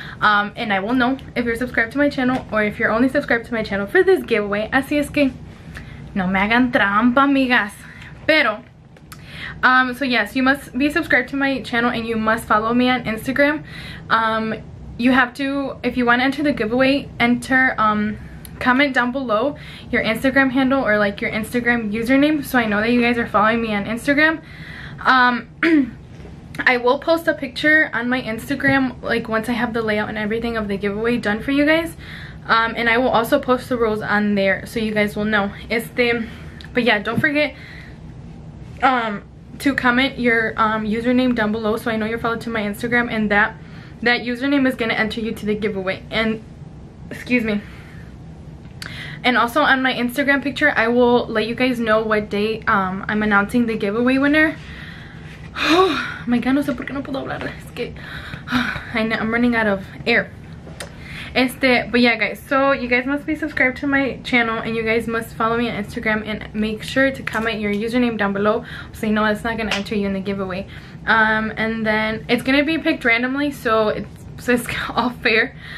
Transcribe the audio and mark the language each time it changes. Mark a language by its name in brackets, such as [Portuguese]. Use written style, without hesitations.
[English] And I will know if you're subscribed to my channel or if you're only subscribed to my channel for this giveaway. [Spanish] Así es que no me hagan trampa, amigas. [English] Pero, so yes, you must be subscribed to my channel and you must follow me on Instagram. You have to, if you want to enter the giveaway, enter, comment down below your Instagram handle or like your Instagram username so I know that you guys are following me on Instagram. I will post a picture on my Instagram, like once I have the layout and everything of the giveaway done for you guys. And I will also post the rules on there so you guys will know. But yeah, don't forget to comment your username down below so I know you're followed to my Instagram, and that username is going to enter you to the giveaway. And excuse me. And also on my Instagram picture, I will let you guys know what day I'm announcing the giveaway winner. Oh my god, [Spanish] no sé por qué no puedo hablar. Es que, [English] I'm running out of air. But yeah guys, so you guys must be subscribed to my channel and you guys must follow me on Instagram and make sure to comment your username down below so you know it's not gonna enter you in the giveaway. And then it's gonna be picked randomly, so it's all fair.